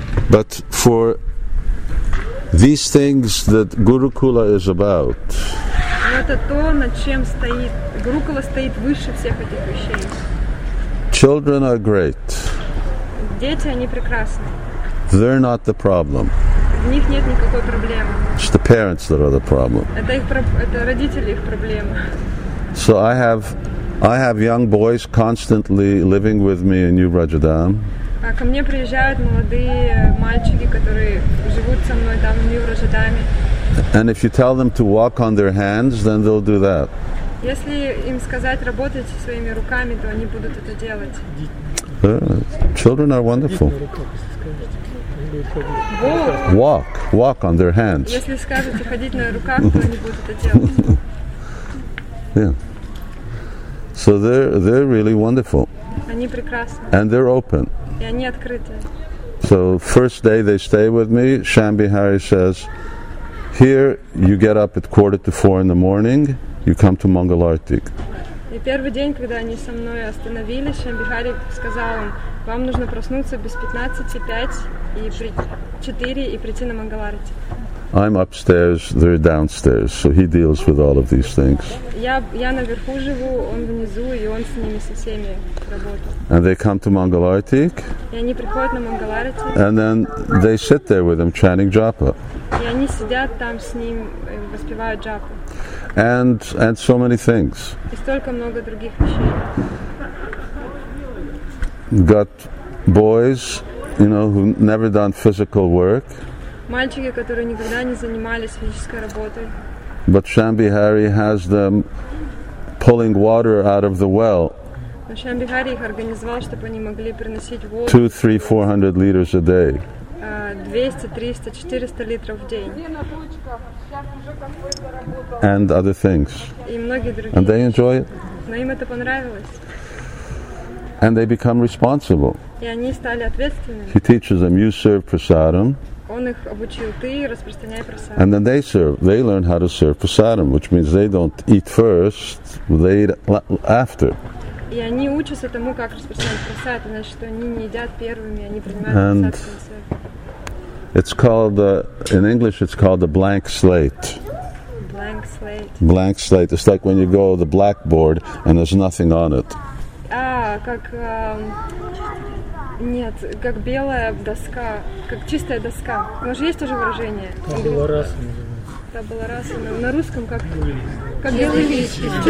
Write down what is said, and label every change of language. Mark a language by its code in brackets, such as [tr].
[en] But for these things that Gurukula is about. [ru] Это то, над чем стоит. Гурукула стоит выше всех этих вещей. [en] Children are great. [ru] Дети, они прекрасны. [en] They're not the problem. [ru] В них нет никакой проблемы. [en] It's the parents that are the problem. [ru] Это родители их проблема. [en] So I have young boys constantly living with me in New Rajadham. [ru] Ко мне приезжают молодые мальчики, которые живут со мной там в Нью-Рожедаме. [en] And if you tell them to walk on their hands, then they'll do that. [ru] Если им сказать работать своими руками, то они будут это делать. [en] Children are wonderful. Walk on their hands. [ru] Если скажете ходить на руках, то они будут это делать. [en] Yeah. So they're really wonderful. [ru] Они прекрасны. [en] And they're open. [ru] И они открыты. [en] So first day they stay with me, Shambhihari says, here you get up at 3:45 in the morning, you come to Mangal Arati. [ru] И первый день, когда они со мной остановились, Shambhihari сказал им, вам нужно проснуться без 4 и прийти на Mangal Arati. [en] I'm upstairs, they're downstairs, so he deals with all of these things. [ru] Я наверху живу, он внизу, и он с ними со всеми работает. [en] And they come to Mangal Arati. [ru] И они приходят на Mangal Arati. [en] And then they sit there with him chanting japa. [ru] И они сидят там с ним, воспевают джапу. [en] And so many things. [ru] И столько много других вещей. [en] Got boys, you know, who never done physical work. [ru] Мальчики, которые никогда не занимались физической работой. [en] But Shambhihari has them pulling water out of the well. [ru] Но Shambhihari их организовал, чтобы они могли приносить воду. [en] 200-300 liters a day. [ru] 200-300-400 литров в день. [en] And other things. [ru] И многие другие. [en] And they enjoy it. [ru] Но им это понравилось. [en] And they become responsible. [ru] И они стали ответственными. [en] He teaches them, you serve prasadam. [ru] Он их обучил, ты распространяй прасадам. [en] And then they serve. They learn how to serve prasadam, which means they don't eat first, they eat after. [ru] И они учатся тому, как распространять прасад, значит, что они не едят первыми, они принимают прасад в конце. [en] It's called in English it's called a blank slate. Blank slate. Blank slate. It's like when you go to the blackboard and there's nothing on it. Ah, [ru] как нет, как белая доска, как чистая доска. У вас же есть тоже выражение? Табула раса. На русском как белый лист.